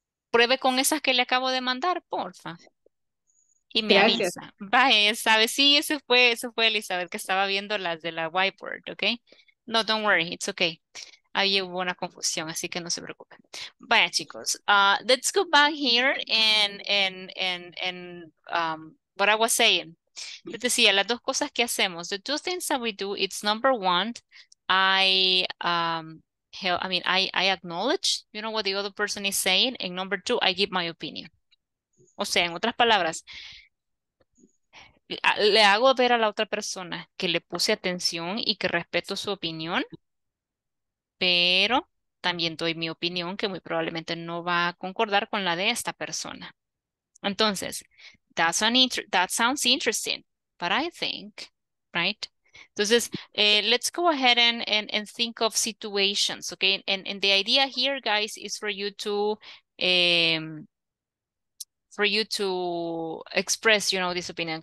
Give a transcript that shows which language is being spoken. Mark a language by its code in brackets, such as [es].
[es] Pruebe con esas que le acabo de mandar, porfa. Y me avisa. Vaya, ¿sabes? Sí, eso fue Elizabeth, que estaba viendo las de la whiteboard, ¿ok? No, [en] don't worry, it's okay. [es] Ahí hubo una confusión, así que no se preocupen. Vaya, chicos. [en] Let's go back here and what I was saying. [es] Les decía, las dos cosas que hacemos. [en] The two things that we do, it's number one, I acknowledge, you know, what the other person is saying. And number two, I give my opinion. [es] O sea, en otras palabras, le hago ver a la otra persona que le puse atención y que respeto su opinión, pero también doy mi opinión que muy probablemente no va a concordar con la de esta persona. [en] Entonces, that sounds interesting, but I think, right? Entonces, let's go ahead and think of situations, okay? And the idea here, guys, is for you to express, you know, this opinion.